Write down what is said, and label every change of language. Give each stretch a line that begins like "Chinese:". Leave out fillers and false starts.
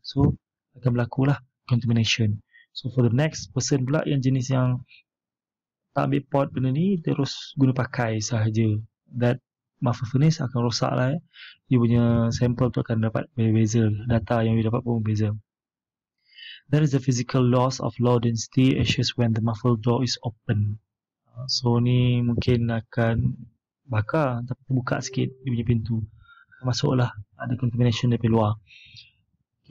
Malay: So akan berlakulah contamination.
English: So for the next person
Malay: pula yang jenis yang tak ambil pot benda ni, terus guna pakai sahaja, that muffle furnace akan rosak lah. You punya sample tu akan dapat berbeza, data yang you dapat pun berbeza.
English: There is a physical loss of low density ashes when the muffle door is open.
Malay: So ni mungkin akan bakar, tapi buka sikit dia punya pintu, masuklah ada contamination dari luar. Ok,